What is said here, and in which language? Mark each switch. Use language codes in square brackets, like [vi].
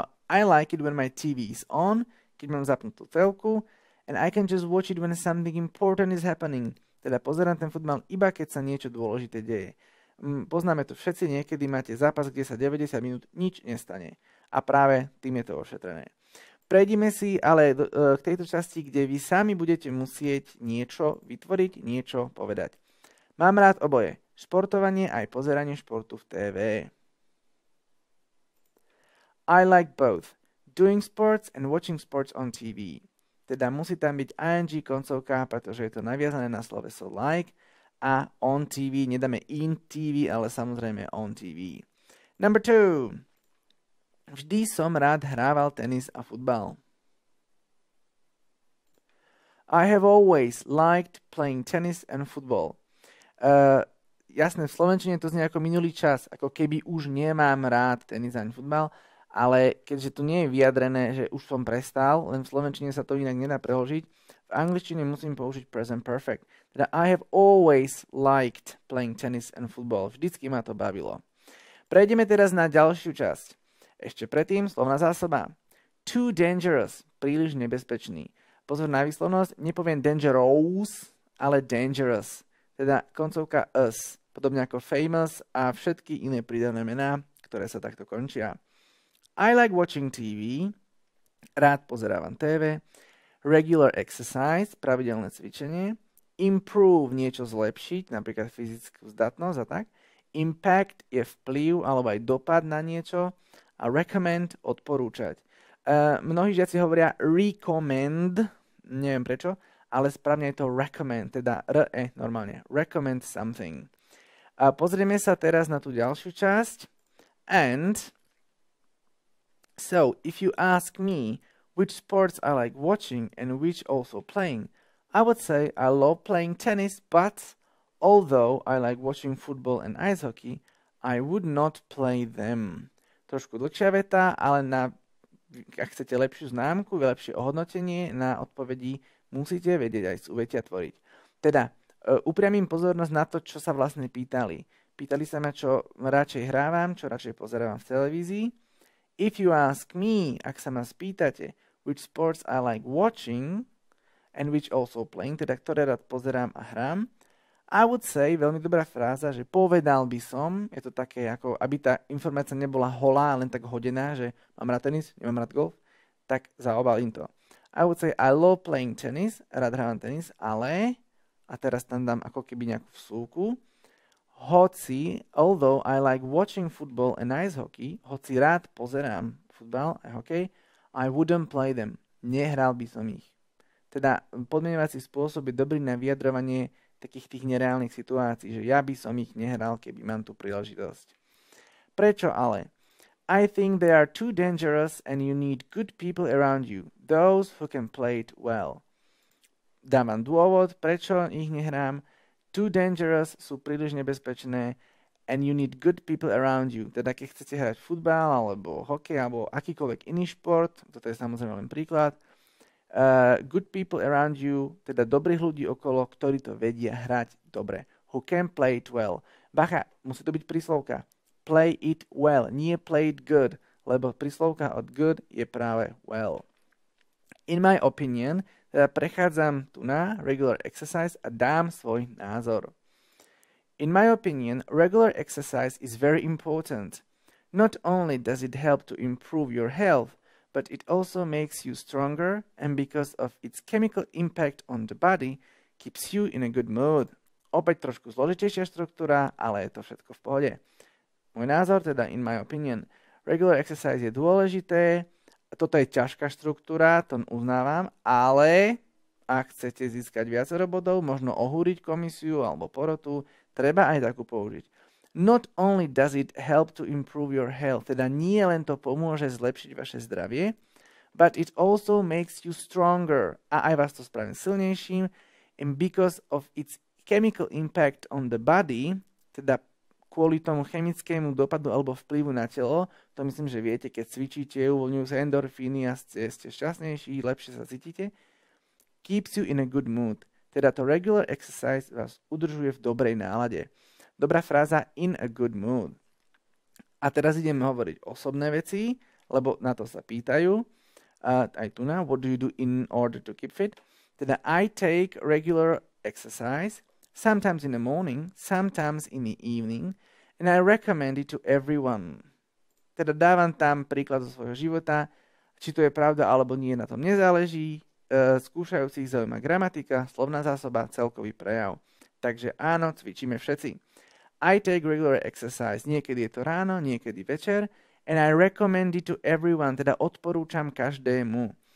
[en] I like it when my TV is on, [sk] keď mám zapnutú telku, [en] and I can just watch it when something important is happening. [sk] Teda pozerám ten futbal iba keď sa niečo dôležité deje. Poznáme to všetci, niekedy máte zápas, kde sa 90 minút nič nestane. A práve tým je to ošetrené. Prejdime si ale k tejto časti, kde vy sami budete musieť niečo vytvoriť, niečo povedať. Mám rád oboje. Športovanie aj pozeranie športu v TV. [en] I like both. Doing sports and watching sports on TV. [sk] Teda musí tam byť ing koncovka, pretože je to naviazané na sloveso like a on TV. Nedáme in TV, ale samozrejme on TV. [en] Number two. [sk] Vždy som rád hrával tenis a futbal. [en] I have always liked playing tennis and football. [sk] Jasné, v slovenčine to znie ako minulý čas, ako keby už nemám rád tenis ani futbal, ale keďže tu nie je vyjadrené, že už som prestal, len v slovenčine sa to inak nedá preložiť, v angličtine musím použiť present perfect. [en] Teda I have always liked playing tennis and football. [sk] Vždycky ma to bavilo. Prejdeme teraz na ďalšiu časť. Ešte predtým, slovná zásoba. [en] Too dangerous, [sk] príliš nebezpečný. Pozor na výslovnosť, nepoviem dangerous, ale dangerous. Teda koncovka us, podobne ako famous a všetky iné pridané mená, ktoré sa takto končia. [en] I like watching TV, [sk] rád pozerávam TV. [en] Regular exercise, [sk] pravidelné cvičenie. Improve, niečo zlepšiť, napríklad fyzickú zdatnosť a tak. Impact je vplyv alebo aj dopad na niečo. A recommend, odporúčať. Mnohí žiaci hovoria recommend, neviem prečo, ale správne je to recommend, teda re normálne, [en] recommend something. [sk] Pozrieme sa teraz na tú ďalšiu časť. [en] And so, if you ask me which sports I like watching and which also playing, I would say I love playing tennis, but although I like watching football and ice hockey, I would not play them. [sk] Trošku dlhšia veta, ale na, ak chcete lepšiu známku, lepšie ohodnotenie na odpovedi, musíte vedieť aj súvetia tvoriť. Teda, upriamím pozornosť na to, čo sa vlastne pýtali. Pýtali sa ma, čo radšej hrávam, čo radšej pozerávam v televízii. [en] If you ask me, [sk] ak sa ma spýtate, [en] which sports I like watching and which also playing, [sk] teda ktoré rád pozerám a hrám, [en] I would say, [sk] veľmi dobrá fráza, že povedal by som, je to také, ako aby tá informácia nebola holá, len tak hodená, že mám rád tenis, nemám rád golf, tak zaobalím to. [en] I would say, I love playing tennis, [sk] rád hrávam tenis, ale, a teraz tam dám ako keby nejakú vsúku, hoci, [en] although I like watching football and ice hockey, [sk] hoci rád pozerám futbal a hokej, [en] I wouldn't play them, [sk] nehral by som ich. Teda podmienovací spôsob je dobrý na vyjadrovanie takých tých nereálnych situácií, že ja by som ich nehral, keby mám tú príležitosť. Prečo ale? [en] I think they are too dangerous and you need good people around you. Those who can play it well. [sk] Dávam dôvod, prečo ich nehrám. [en] Too dangerous, [sk] sú príliš nebezpečné [en] and you need good people around you. [sk] Teda keď chcete hrať futbal, alebo hokej, alebo akýkoľvek iný šport, toto je samozrejme len príklad, [en] good people around you, [sk] teda dobrých ľudí okolo, ktorí to vedia hrať dobre. [en] Who can play it well. [sk] Bacha, musí to byť príslovka. [en] Play it well, [sk] nie [en] play it good, [sk] lebo príslovka od good je práve well. [en] In my opinion, [sk] teda prechádzam tu na [en] regular exercise [sk] a dám svoj názor. [en] In my opinion, regular exercise is very important. Not only does it help to improve your health, but it also makes you stronger and because of its chemical impact on the body, keeps you in a good mood. [sk] Opäť trošku zložitejšia štruktúra, ale je to všetko v pohode. Môj názor, teda [en] in my opinion, regular exercise [sk] je dôležité, toto je ťažká štruktúra, to uznávam, ale ak chcete získať viacero bodov, možno ohúriť komisiu alebo porotu, treba aj takú použiť. [en] Not only does it help to improve your health, [sk] teda nie len to pomôže zlepšiť vaše zdravie, [en] but it also makes you stronger, [sk] a aj vás to spraví silnejším, [en] and because of its chemical impact on the body, [sk] teda kvôli tomu chemickému dopadu alebo vplyvu na telo, to myslím, že viete, keď cvičíte, uvoľňujú sa endorfíny a ste šťastnejší, lepšie sa cítite, [en] keeps you in a good mood, [sk] teda to [en] regular exercise [sk] vás udržuje v dobrej nálade. Dobrá fráza, [en] in a good mood. [sk] A teraz ideme hovoriť osobné veci, lebo na to sa pýtajú. Aj tu na, [en] what do you do in order to keep fit? [sk] Teda, [en] I take regular exercise, sometimes in the morning, sometimes in the evening, and I recommend it to everyone. [sk] Teda dávam tam príklad zo svojho života, či to je pravda, alebo nie, na tom nezáleží. Skúšajúcich zaujíma gramatika, slovná zásoba, celkový prejav. Takže áno, cvičíme všetci. [en] I take regular exercise, [sk] niekedy je to ráno, niekedy večer, [en] and I recommend it to everyone, [sk] teda odporúčam každému.